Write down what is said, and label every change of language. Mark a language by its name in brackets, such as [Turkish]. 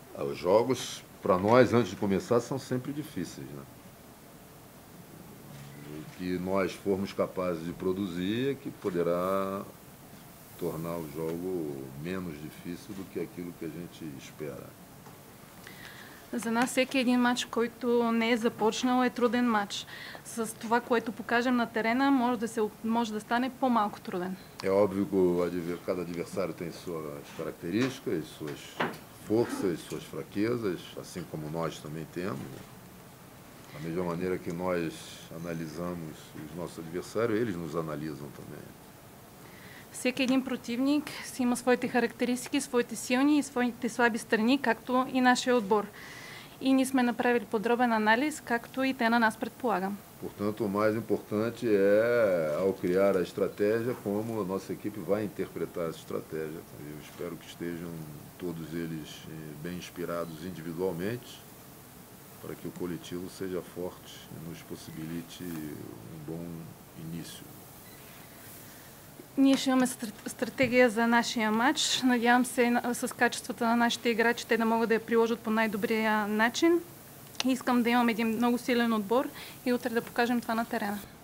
[Portuguese] Os jogos, para nós, antes de começar, são sempre difíceis, né? O que nós formos capazes de produzir é que poderá tornar o jogo menos difícil do que aquilo que a gente espera. [Bulgarian] За нас всеки един матч, който не е започнал, е труден матч. С това, което покажем на терена, може да стане по-малко труден. [Portuguese] É óbvio que cada adversário tem suas características, suas forças, suas fraquezas, assim como nós também temos. Da mesma maneira que nós analisamos os nossos adversários, eles nos analisam também. [Bulgarian] Всеки един противник си има своите характеристики, своите силни и своите слаби страни, както и нашия отбор. И ние сме направили подробен анализ, както и те на нас предполагам. [Portuguese] Portanto, o mais importante é, ao criar a estratégia, como a nossa equipe vai interpretar essa estratégia. Eu espero que estejam todos eles bem inspirados individualmente, para que o coletivo seja forte e nos possibilite bom início. [Bulgarian] Ние ще имаме стратегия за нашия матч. Надявам се с качествата на нашите играчи те да могат да я приложат по най-добрия начин. Искам да имам един много силен отбор и утре да покажем това на терена.